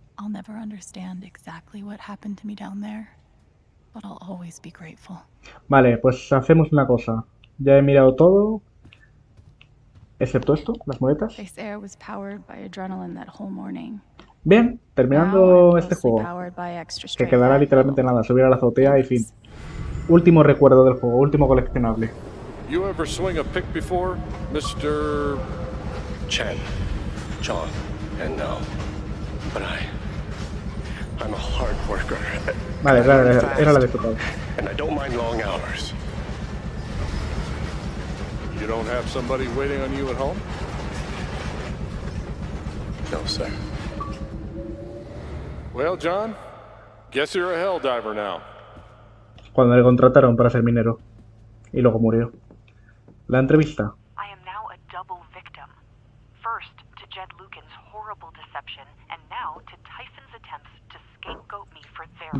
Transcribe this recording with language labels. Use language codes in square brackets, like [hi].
[en] I'll never understand exactly what happened to me down there, but I'll always be grateful. [es] Vale, pues hacemos una cosa. Ya he mirado todo, excepto esto, las muletas. [en] This air was powered by adrenaline that whole morning. [es] Bien, terminando este juego, que quedará literalmente nada, subir a la azotea y fin. Último recuerdo del juego, último coleccionable. [en] You ever swing a pick before, Mr. Chen, John, and now, but I'm a hard worker. [es] Vale, claro, era la de tu padre. [en] And I don't mind long hours. You don't have somebody waiting on you at home? No, sir. Well, John, guess you're a hell diver now. [es] Cuando le contrataron para ser minero y luego murió. La entrevista. [en] I am now a double victim. First to Jed Lucan's horrible deception and now to Typhon's attempts to scapegoat me for their